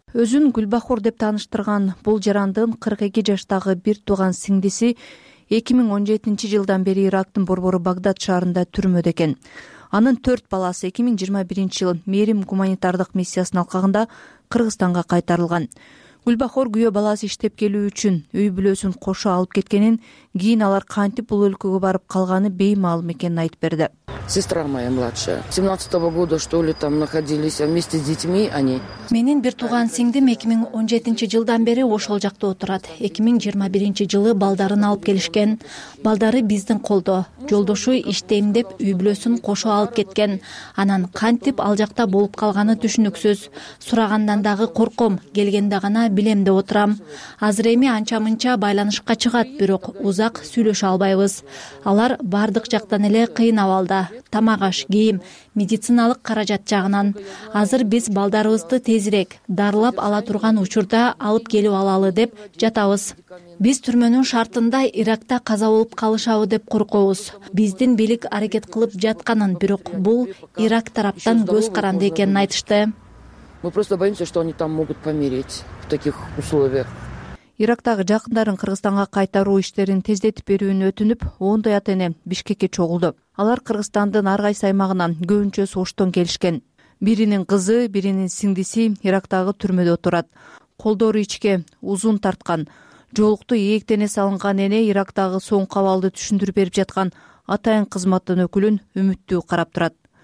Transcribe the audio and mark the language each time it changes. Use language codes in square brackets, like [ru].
[ky] Өзүн Гүлбахор деп тааныштырган бул жарандын 42 жаштагы бир тууган сиңдиси 2017 жылдан бери Ирактын борбору Багдад шаарында түрмөдө экен. Анын 4 баласы 2021 жылы мээрим гуманитардык миссиясынын алкагында Кыргызстанга кайтарылган. Гүлбахор күйө баласы иштеп келүү үчүн үй бүлөсүн кошо алып кеткенин, кийин алар кантип бул өлкөгө барып калганы беймаалым экенин айтып берди. [ru] Сестра моя младшая, 17-го года, что ли, там находились вместе с детьми они. [ky] Менин бир тууган сиңдим 2017 жылдан бери ошол жакта отурат. 2021 жылы балдарын алып келишкен. Балдары биздин колдо. Жолдошу иштейм деп үй бүлөсүн кошо алып кеткен. Анан кантип ал жакта болуп калганы түшүнүксүз. Сурагандан дагы корком, келгенде гана билем деп отурам. Азыр эми анча-мынча байланышка чыгат, бирок узак сүйлөшө албайбыз. Алар бардык жактан эле кыйын абалда. Тамак аш, кийим, медициналык каражат жагынан азыр биз балдарыбызды тезирээк дарылап ала турган учурда алып келип алалы деп жатабыз. Биз түрмөнүн шартында Иракта каза болуп калышабы деп коркобуз. Биздин бийлик аракет кылып жатканын, бирок бул Ирак тараптан көз каранды экенин айтышты. [ru] Мы просто боимся, что они там могут помереть в таких условиях. [ky] Ирактагы жакындарын Кыргызстанга кайтаруу иштерин тездетип берүүнү өтүнүп, ондой ата-эне Бишкекке чогулду. Алар Кыргызстандын ар кайсы аймагынан көбүнчө Оштон келишкен. Биринин кызы, биринин сиңдиси Ирактагы түрмөдө отурат. Колдору ичке узун тарткан, жолукту ийектене салынган эне Ирактагы соңку абалды түшүндүрүп берип жаткан атайын кызматтын өкүлүн үмүттүү карап турат.